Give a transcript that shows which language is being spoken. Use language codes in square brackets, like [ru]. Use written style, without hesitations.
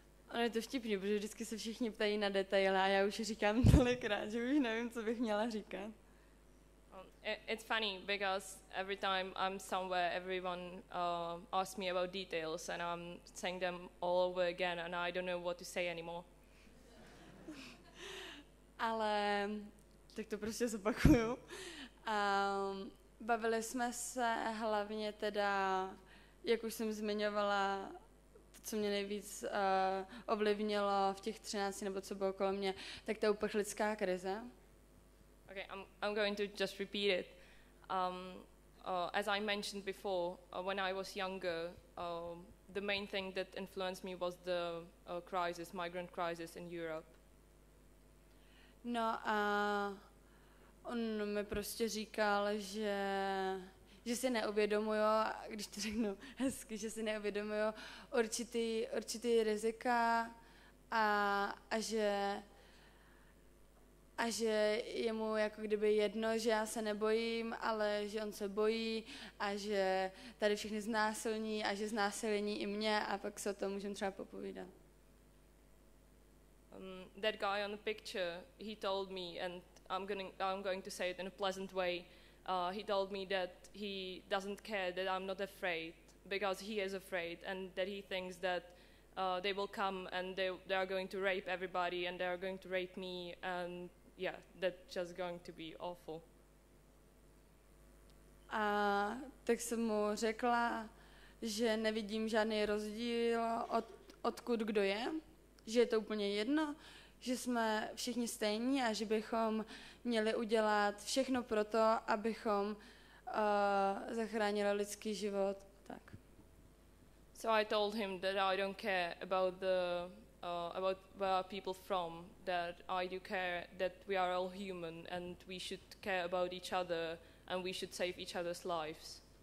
[cs] Ono je to vtipný, protože vždycky se všichni ptají na detaily a já už říkám tolikrát, že už nevím, co bych měla říkat. [en] It's funny because every time I'm somewhere, everyone asks me about details, and I'm saying them all over again, and I don't know what to say anymore. [cs] Ale tak to prostě zopakuju. Bavili jsme se hlavně teda, jak už jsem zmiňovala, to, co mě nejvíc ovlivnilo v těch 13 nebo co bylo kolem mě, tak ta uprchlická krize. [en] Okay, I'm going to just repeat it. As I mentioned before, when I was younger, the main thing that influenced me was the crisis, migrant crisis in Europe. [cs] No, on mi prostě říkal, že si neuvědomuju, když to řeknu hezky, že si neuvědomuju určitý rizika a že je mu jako kdyby jedno, že já se nebojím, ale že on se bojí a že tady všichni znásilní a že znásilní i mě a pak se o tom můžeme třeba popovídat. [en] That guy on the picture, he told me, and I'm going to say it in a pleasant way, he told me that he doesn't care that I'm not afraid because he is afraid and that he thinks that they will come and they are going to rape everybody and they are going to rape me and yeah, that's just going to be awful. [cs] A tak jsem mu řekla, že nevidím žádný rozdíl odkud kdo je, že je to úplně jedno, že jsme všichni stejní a že bychom měli udělat všechno pro to, abychom zachránili lidský život. Tak. [en] So I told him that I don't care about the about where people from, that I do care that we are all human and we should care about each other and we should save each other's lives.